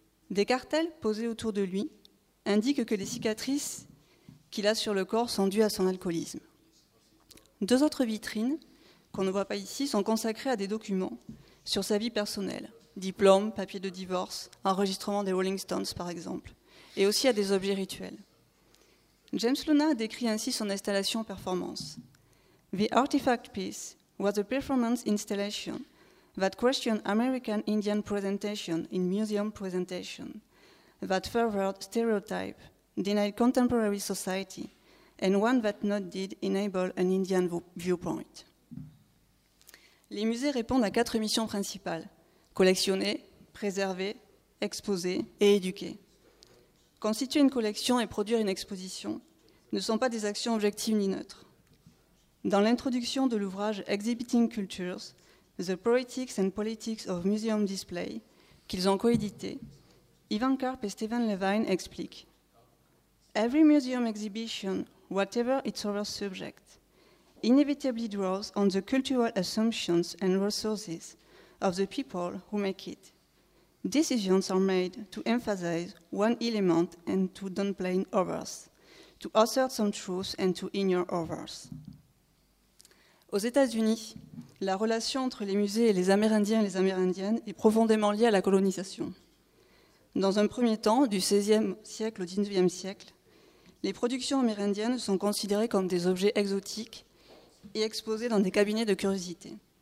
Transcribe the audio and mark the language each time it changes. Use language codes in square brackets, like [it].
[fr] Des cartels posés autour de lui indiquent que les cicatrices qu'il a sur le corps sont dues à son alcoolisme. Deux autres vitrines, qu'on ne voit pas ici, sont consacrées à des documents sur sa vie personnelle, diplômes, papiers de divorce, enregistrements des Rolling Stones par exemple, et aussi à des objets rituels. James Luna décrit ainsi son installation performance. [en] The artifact piece was a performance installation that questioned American Indian presentation in museum presentation, that furthered stereotype, denied contemporary society, and one that not did enable an Indian viewpoint. [fr] Les musées répondent à 4 missions principales: collectionner, préserver, exposer et éduquer. Constituer une collection et produire une exposition ne sont pas des actions objectives ni neutres. Dans l'introduction de l'ouvrage Exhibiting Cultures, The Poetics and Politics of Museum Display, qu'ils ont coédité, Ivan Karp et Stephen Levine expliquent: [en] Every museum exhibition, whatever its other subject, inevitably draws on the cultural assumptions and resources of the people who make it. Decisions are made to emphasize one element and to downplay others, to assert some truth and to ignore others. [fr] Aux États-Unis, la relation entre les musées et les Amérindiens et les Amérindiennes est profondément liée à la colonisation. Dans un premier temps, du XVIe siècle au XIXe siècle, les productions amérindiennes sont considérées comme des objets exotiques et exposées dans des cabinets de curiosité.